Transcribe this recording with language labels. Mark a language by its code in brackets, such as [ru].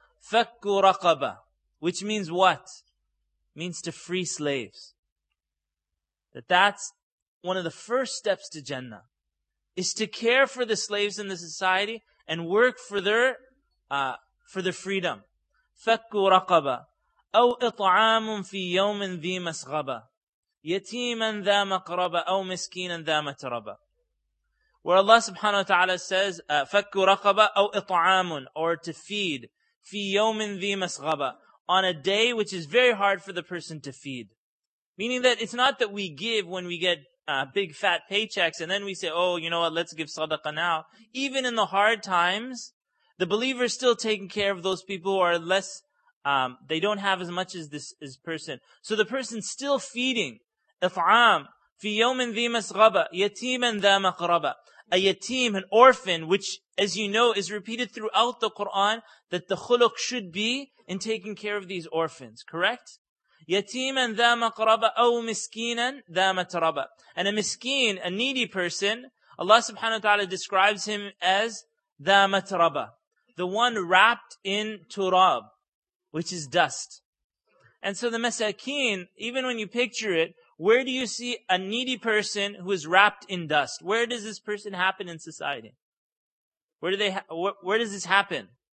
[ar] فَكُّ رَقَبَةِ. [en] Which means what? Means to free slaves. That's one of the first steps to Jannah, is to care for the slaves in the society and work for their freedom. [ar] فَكُّ رَقَبَةِ. أو إطعام في يوم ذي مسغبة يتيما ذا مقربة أو مسكينا ذا متربة. [en] Where Allah subhanahu wa ta'ala says, [ar] فَكُّ رَقَبَ أو إِطْعَامٌ, [en] or to feed, [ar] في يوم ذي مسغبة, [en] on a day which is very hard for the person to feed. Meaning that it's not that we give when we get big fat paychecks and then we say, oh, you know what, let's give sadaqah now. Even in the hard times, the believer is still taking care of those people who are less, they don't have as much as this person. So the person's still feeding. [ar] إِطْعَام فِي يَوْمٍ ذِي مَسْغَبَ يَتِيمًا ذَا مَقْرَبَ. [en] A yatim, an orphan, which, as you know, is repeated throughout the Quran, that the khuluq should be in taking care of these orphans. Correct? [ar] يَتِيمًا ذَا مَقْرَبَ أَوْ مِسْكِينًا ذَا مَتْرَبَ. [en] And a miskeen, a needy person, Allah subhanahu wa ta'ala describes him as the matraba, the one wrapped in turab, which is dust. And so the masakin, even when you picture it, where do you see a needy person who is wrapped in dust? Where does this person happen in society? Where does this happen?